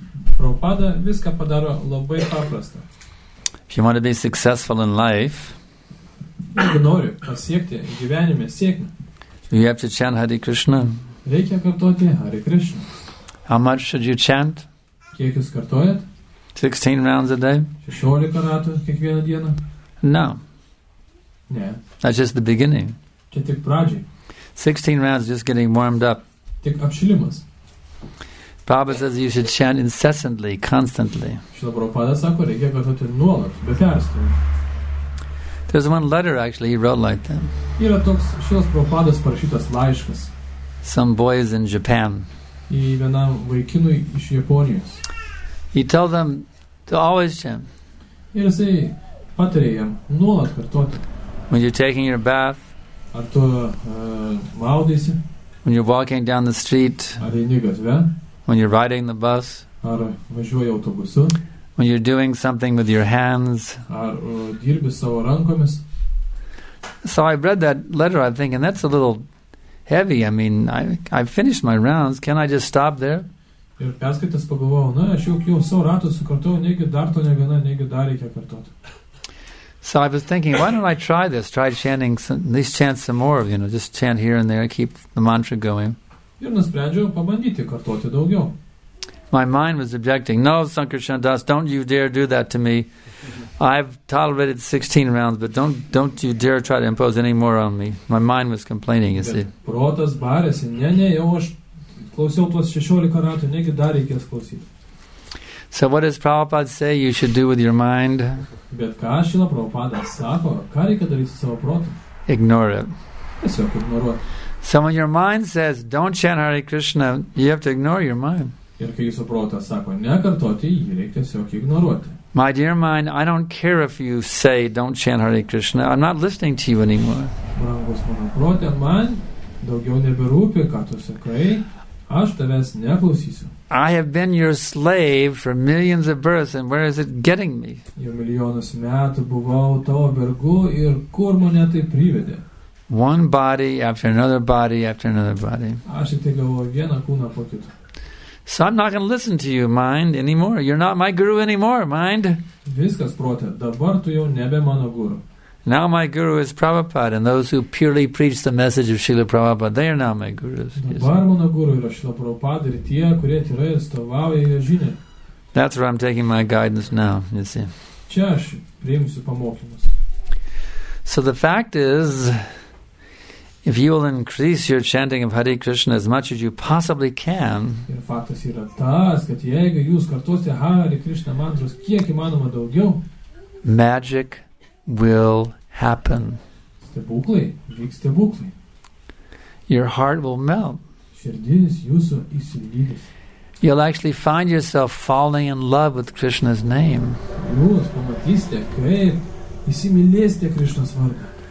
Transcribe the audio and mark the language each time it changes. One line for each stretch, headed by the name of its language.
Lithuanian: Prabhupada viską padaro labai paprasta.
English: If you want to be successful in life, you have to chant Hare Krishna.
Lithuanian: Reikia kartoti Hare Krishna.
English: How much should you chant?
Lithuanian: Kiek jūs kartojat?
English: 16 rounds a day?
Lithuanian: 16 ratų kiekvieną dieną?
English: No.
Lithuanian: Ne.
English: That's just the beginning.
Lithuanian: Čia tik pradžiai.
English: 16 rounds just getting warmed up.
Lithuanian: Tik apšilimas.
English: Prabhupada says you should chant incessantly, constantly.
Lithuanian: Šilo Prabhupada sako, reikia kartoti nuolat, be perstojo.
English: There's one letter actually he wrote like that.
Lithuanian: Yra toks šios Prabhupados parašytas laiškas.
English: Some boys in Japan.
Lithuanian: Į vienam vaikinui iš Japonijos.
English: He told them to always chant.
Lithuanian: Ir jisai patarė jam nuolat kartoti.
English: When you're taking your bath.
Lithuanian: Ar tu maudysi.
English: When you're walking down the street.
Lithuanian: Ar eini gatve.
English: When you're riding the bus.
Lithuanian: Ar važiuoji autobusu.
English: When you're doing something with your hands.
Lithuanian: Dirbi savo rankomis.
English: So I read that letter, I'm thinking, that's a little heavy. I mean, I've finished my rounds. Can I just stop there?
Lithuanian: Ir perskaitęs pagalvojau, na, aš jau savo ratus sukartojau, negi dar to negana, negi dar reikia kartoti.
English: So I was thinking, why don't I try this? Try chanting, at least chant some more, you know, just chant here and there, keep the mantra going.
Lithuanian: Ir nusprendžiau pabandyti kartoti daugiau.
English: My mind was objecting, no, Sankarshan Das, don't you dare do that to me. I've tolerated 16 rounds, but don't you dare try to impose any more on me. My mind was complaining, you see.
Lithuanian: Protas barėsi, ne, jau aš klausiau tuos 16 ratų, negi dar reikės klausyti.
English: So what does Prabhupada say you should do with your mind?
Lithuanian: Bet ką Šila Prabhupada sako, ką reikia daryti su savo protu?
English: Ignore it.
Lithuanian: Tiesiog ignoruot.
English: So when your mind says, don't chant Hare Krishna, you have to ignore your mind.
Lithuanian: Ir kai jūsų protas sako nekartoti, jį reikia tiesiog ignoruoti.
English: My dear mind, I don't care if you say don't chant Hare Krishna. I'm not listening to you anymore.
Lithuanian: Brangus mano protė, man daugiau nebirūpi, ką tu sakai. Aš tavęs neklausysiu.
English: I have been your slave for millions of births, and where is it getting me?
Lithuanian: Jau milijonus metų buvau tavo vergu, ir kur mane tai privedė?
English: One body after another body after another body.
Lithuanian: Aš tik galvoju vieną kūną po kitą.
English: So I'm not going to listen to you, mind, anymore. You're not my guru anymore, mind.
Lithuanian: Viskas protė, dabar tu jau nebe mano guru.
English: Now my guru is Prabhupada, and those who purely preach the message of Srila Prabhupada, they are now my gurus.
Lithuanian: Dabar mano guru yra Srila Prabhupada ir tie, kurie tikrai atstovauja jo žinią.
English: That's where I'm taking my guidance now, you see.
Lithuanian: Čia aš priimsiu pamokymus.
English: So the fact is, if you will increase your chanting of Hare Krishna as much as you possibly can,
Lithuanian: ir faktas yra tas, kad jeigu jūs kartosite Hare Krishna mantras kiek įmanoma daugiau,
English: magic will happen.
Lithuanian: Stebuklai vyks stebuklai.
English: Your heart will melt.
Lithuanian: Širdis jūsų išsilydys.
English: You'll actually find yourself falling in love with Krishna's name.
Lithuanian: Jūs pamatysite, kaip įsimylėsite Krishna's vardą.